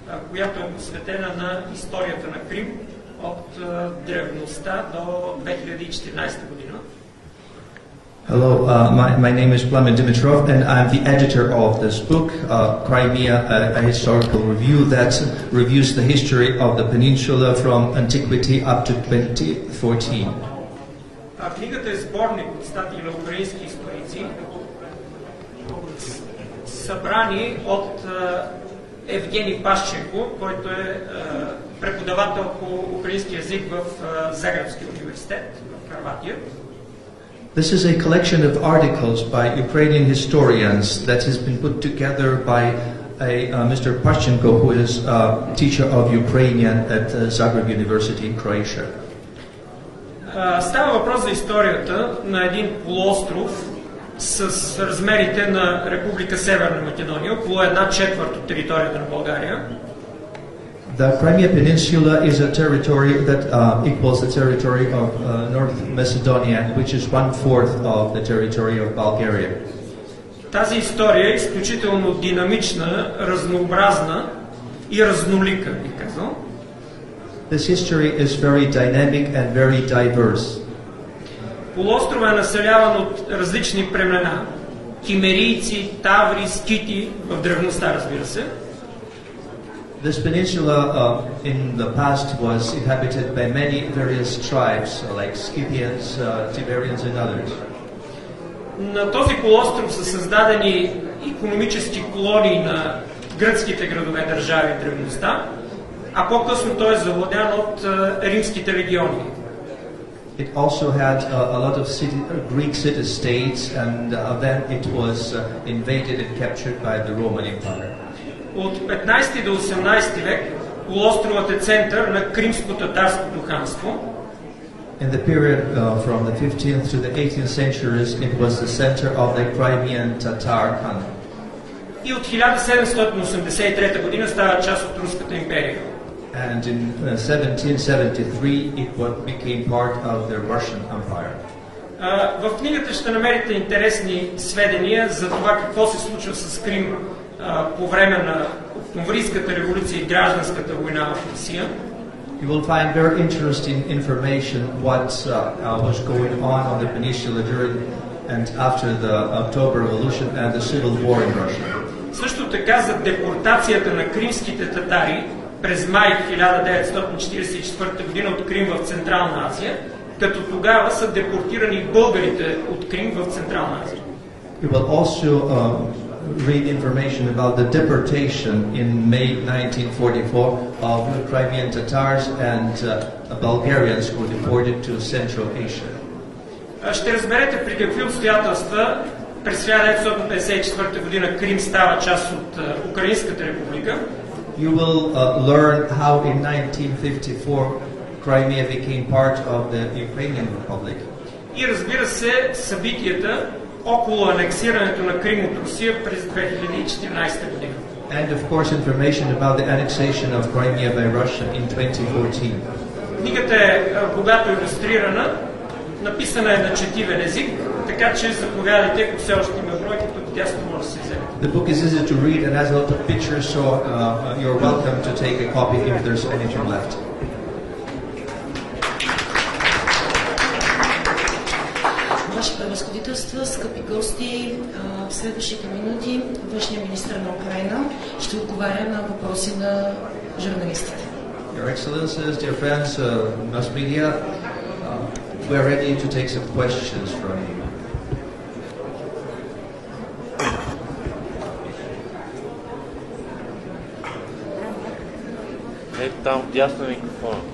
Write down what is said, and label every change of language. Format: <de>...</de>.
<bg>Която е посветена на историята на Крим от древността до 2014 година.</bg> <en>Hello, my name is Vladimir Dimitrov, and I'm the editor of this book, Crimea, a Historical Review, that reviews the history of the peninsula from antiquity up to 2014.</en> <bg>Книгата е сборник от статии на украински историци, събрани от Евгений Пащенко, който е преподавател по украински език в Загребския университет в Хърватия.</bg> <en>This is a collection of articles by Ukrainian historians that has been put together by Mr. Pashchenko, who is a teacher of Ukrainian at Zagreb University in Croatia.</en> <bg>Става въпрос за историята на един полуостров с размерите на Република Северна Македония, около една четвърт от територията на България.</bg> <en>The Crimea Peninsula is a territory that equals the territory of North Macedonia, which is one-fourth of the territory of Bulgaria.</en> <bg>Тази история е изключително динамична, разнообразна и разнолика, би казал.</bg> <en>This history is very dynamic and very diverse.</en> <bg>Полуострова е населяван от различни племена, кимерийци, таври, скити, в древността, разбира се.</bg> <en>This peninsula in the past was inhabited by many various tribes, like Scythians, Tiberians and others.</en> <bg>На този полуостров са създадени икономически колонии на гръцките градове държави в древността, а по-късно той е завладян от римските региони.</bg> <en>It also had a lot of Greek city-states, and then it was invaded and captured by the Roman Empire.</en> <bg>От 15 до 18 век полуостровът е център на Кримско-татарското ханство.</bg> <en>In the period from the 15th to the 18th centuries, it was the center of the Crimean Tatar Khan.</en> <bg>И от 1783 година става част от Руската империя.</bg> <en>And in 1773 it became part of the Russian Empire.</en> <bg>В книгата ще намерите интересни сведения за това какво се случва с Крим по време на Октомврийската революция и гражданската война в Русия.</bg> <en>You will find very interesting information what was going on the peninsula during and after the October Revolution and the civil war in Russia.</en> <bg>Също така за депортацията на кримските татари през май 1944 година от Крим в Централна Азия, като тогава са депортирани българите от Крим в Централна Азия.</bg> <en>You will also read information about the deportation in May 1944 of Crimean Tatars and Bulgarians who were deported to Central Asia.</en> <bg>Ще разберете при какви обстоятелства през 1954 година Крим става част от Украинската република.</bg> <en>You will learn how in 1954 Crimea became part of the Ukrainian Republic.</en> <bg>И разбира се, събитията около анексирането на Крим от Русия през 2014 година.</bg> <en>And of course information about the annexation of Crimea by Russia in 2014.</en> <bg>Книгата е богато илюстрирана, написана е на четивен език, така че заповядайте, ако все още има бройки, тук тясно може да се вземе.</bg> <en>The book is easy to read and has a lot of pictures, so you're welcome to take a copy if there's anything left.</en> <bg>Ваше превъзходителство, скъпи гости, в следващите минути външният министър на Украина ще отговаря на въпроси на журналистите.</bg> <en>Your excellences, dear friends, mass media, we are ready to take some questions from you.</en> <bg>Там дясно микрофон.</bg>